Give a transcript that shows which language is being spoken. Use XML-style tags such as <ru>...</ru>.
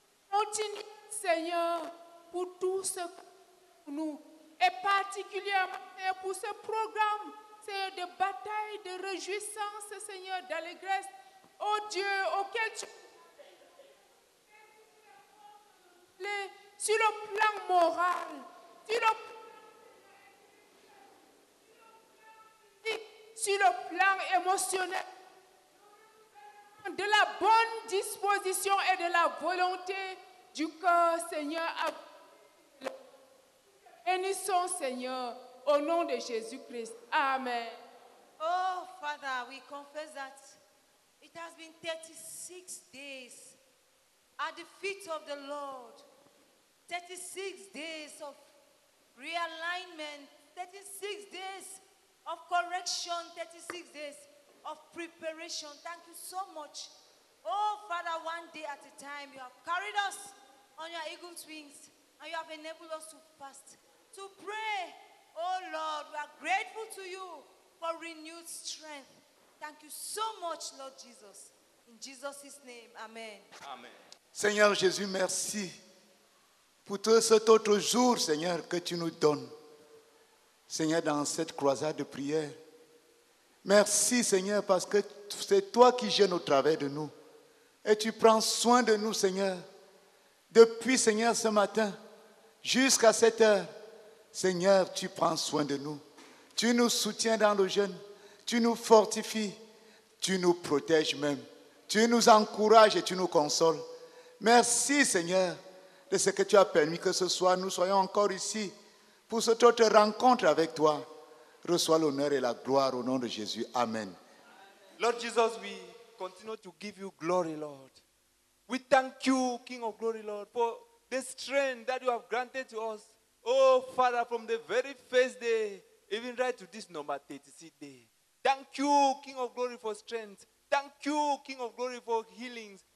<fr>Continue, Seigneur, pour tout ce que nous, et particulièrement pour ce programme, Seigneur, de bataille, de réjouissance, Seigneur, d'allégresse, ô Dieu, auquel tu es sur le plan moral, sur le plan physique, sur le plan émotionnel, de la bonne disposition et de la volonté du cœur, Seigneur, à bénissons, Seigneur, au nom de Jésus-Christ. Amen.</fr> <en>Oh, Father, we confess that it has been 36 days at the feet of the Lord, 36 days of realignment, 36 days of correction, 36 days of preparation. Thank you so much. Oh, Father, one day at a time, you have carried us on your eagle's wings and you have enabled us to fast, to pray. Oh Lord, we are grateful to you for renewed strength. Thank you so much, Lord Jesus. In Jesus' name, amen. Amen.</en> <fr>Seigneur Jésus, merci pour tout cet autre jour, Seigneur, que tu nous donnes, Seigneur, dans cette croisade de prière. Merci, Seigneur, parce que c'est toi qui gênes au travers de nous et tu prends soin de nous, Seigneur, depuis, Seigneur, ce matin jusqu'à cette heure. Seigneur, tu prends soin de nous. Tu nous soutiens dans le jeûne. Tu nous fortifies. Tu nous protèges même. Tu nous encourages et tu nous consoles. Merci, Seigneur, de ce que tu as permis que ce soir nous soyons encore ici pour cette autre rencontre avec toi. Reçois l'honneur et la gloire au nom de Jésus. Amen.</fr> <en>Lord Jesus, we continue to give you glory, Lord. We thank you, King of Glory, Lord, for the strength that you have granted to us. Oh, Father, from the very first day, even right to this number 36 day. Thank you, King of Glory, for strength. Thank you, King of Glory, for healings.</en>